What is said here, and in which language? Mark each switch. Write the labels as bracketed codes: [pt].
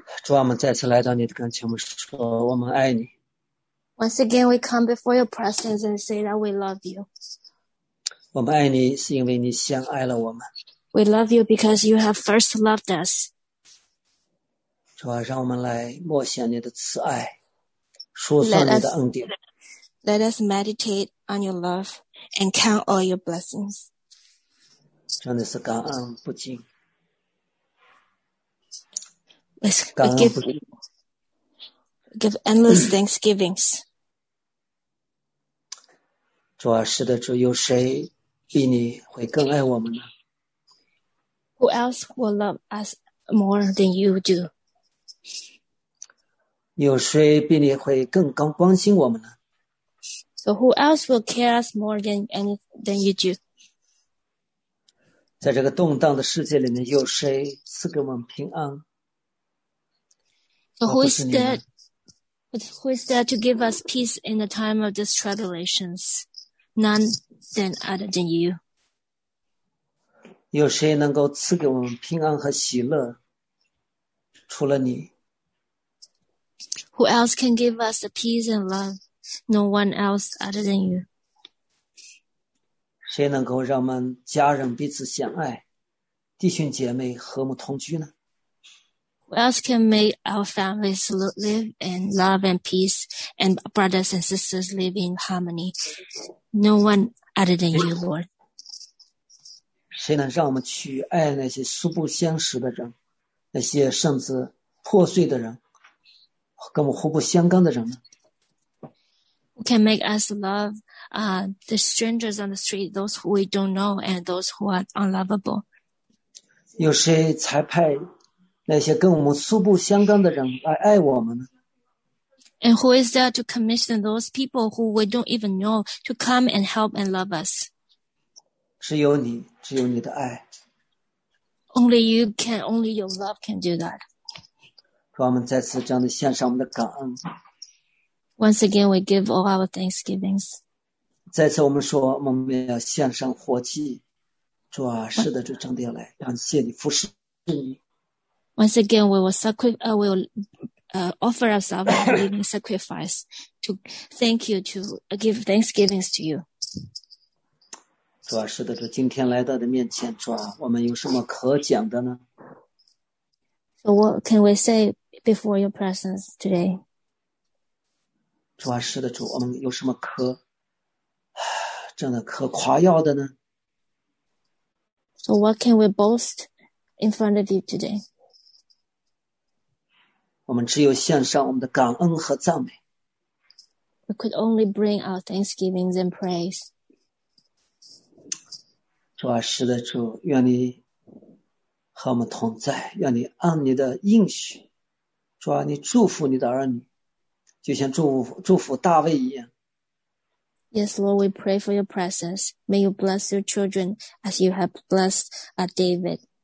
[zh] 主啊，我们再次来到你的跟前，我们说我们爱你。 [en] Once again, we come before your presence and say that we love you. [zh] 我们爱你是因为你先爱了我们。 [en] We love you because you have first loved us. [zh] 主啊，让我们来默想你的慈爱，数算你的恩典。 [en] Let us meditate on your love and count all your blessings. [zh] 真的是感恩不尽。 [en] Give endless thanksgivings. [zh] 主啊，是的，主，有谁比你会更爱我们呢？ [en] Who else will love us more than you do? [zh] 有谁比你会更关心我们呢？ [en] So who else will care us more than you do? [zh] 在这个动荡的世界里面，有谁赐给我们平安？ [en] So who is there? But who is there to give us peace in the time of these tribulations? None than other than you. [zh] 有谁能够赐给我们平安和喜乐？除了你。 [en] Who else can give us the peace and love? No one else other than you. [zh] 谁能够让我们家人彼此相爱，弟兄姐妹和睦同居呢？ [en] Who else can make our families live in love and peace, and brothers and sisters live in harmony? No one other than you, Lord. [zh] 谁能让我们去爱那些素不相识的人，那些甚至破碎的人，跟我们互不相干的人呢？ [en] Who can make us love, the strangers on the street, those who we don't know, and those who are unlovable? [zh] 有谁才派那些跟我们素不相干的人来爱我们呢？ [en] And who is there to commission those people who we don't even know to come and help and love us? [zh] 只有你，只有你的爱。 [en] Only you can, only your love can do that. [zh] 主，我们再次这样的献上我们的感恩。 [en] Once again, we give all our thanksgivings. [zh] 再次我们说，我们要献上活祭。主啊，是的，主真的要来，感谢你，服侍你。 [en] Once again, we will offer ourselves a living sacrifice to thank you, to give thanksgivings to you. [zh] 主啊，是的，主，今天来到的面前，主啊，我们有什么可讲的呢？ [en] So what can we say before your presence today? [zh] 主啊，是的，主，我们有什么可真的可夸耀的呢？ [en] So what can we boast in front of you today? [zh] 我们只有献上我们的感恩和赞美。 [en] We could only bring our thanksgivings and praise. [zh] 主啊，是的，主，愿你和我们同在，愿你按你的应许，主啊，你祝福你的儿女，就像祝福大卫一样。 [en] Yes, Lord, we pray for your presence. May you bless your children as you have blessed David.